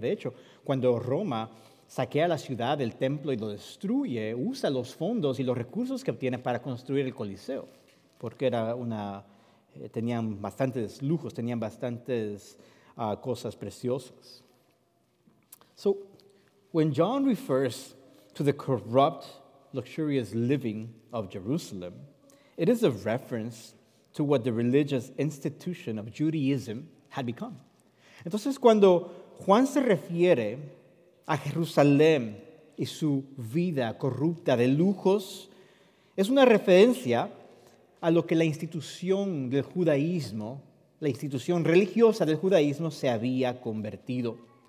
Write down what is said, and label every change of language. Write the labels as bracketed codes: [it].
[es] De hecho, cuando Roma saquea la ciudad, el templo, y lo destruye, usa los fondos y los recursos que obtiene para construir el Coliseo, porque era una, tenían bastantes lujos, tenían bastantes cosas preciosas. [en] So, when John refers to the corrupt, luxurious living of Jerusalem, it is a reference to what the religious institution of Judaism had become. [es] Entonces, cuando Juan se refiere a Jerusalén y su vida corrupta de lujos, es una referencia a lo que la institución del judaísmo, la institución religiosa del judaísmo, se había convertido.